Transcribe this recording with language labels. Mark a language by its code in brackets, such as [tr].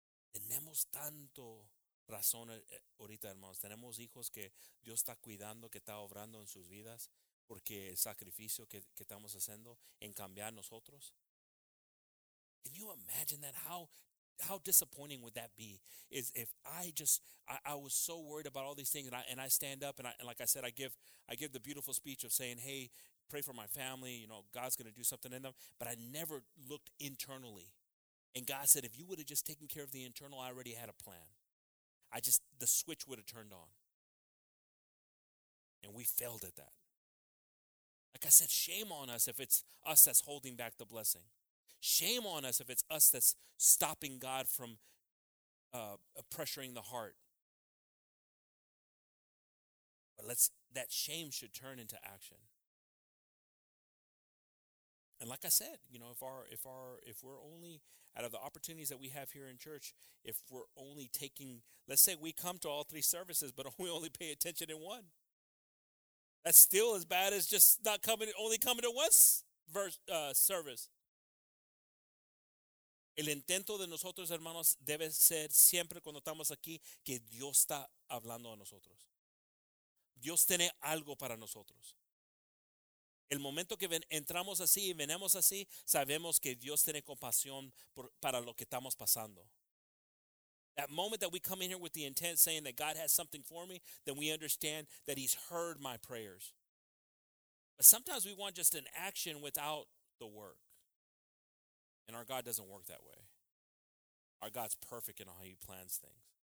[es] Tenemos tanto razón ahorita, hermanos. Tenemos hijos que Dios está cuidando, que está obrando en sus vidas, porque el sacrificio que estamos haciendo en cambiar nosotros. [en] Can you imagine that? How disappointing would that be? Is if I was so worried about all these things, and I stand up and like I said, I give the beautiful speech of saying, hey, pray for my family. You know, God's going to do something in them. But I never looked internally, and God said, if you would have just taken care of the internal, I already had a plan. The switch would have turned on. And we failed at that. Like I said, shame on us if it's us that's holding back the blessing. Shame on us if it's us that's stopping God from pressuring the heart. But that shame should turn into action. And like I said, you know, if we're only out of the opportunities that we have here in church, if we're only taking, let's say we come to all three services, but we only pay attention in one, that's still as bad as just not coming, only coming to one service. [es] El intento de nosotros, hermanos, debe ser siempre cuando estamos aquí que Dios está hablando a nosotros. Dios tiene algo para nosotros. El momento que entramos así y venimos así, sabemos que Dios tiene compasión para lo que estamos pasando. [en] That moment that we come in here with the intent saying that God has something for me, then we understand that He's heard my prayers. But sometimes we want just an action without the work. And our God doesn't work that way. Our God's perfect in how He plans things.